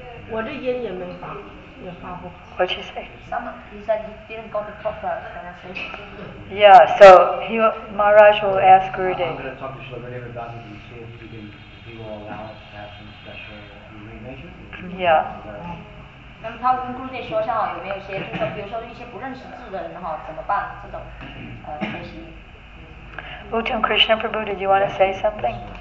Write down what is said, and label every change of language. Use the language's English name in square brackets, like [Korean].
[Chinese] 我的音也没发，也发不好。 [English] What'd you say? He said he didn't got the proper pronunciation. Yeah, so Maharaj will ask Gurudev. I'm going to talk to Shri Gurudev about it and see if he will allow us to have some special arrangements. Yeah. [Chinese] 那么他会跟顾姐说一下，有没有一些，就是比如说一些不认识字的人哈，怎么办？这种学习。 [English] Uttam Krishna Prabhu, did you want to say something?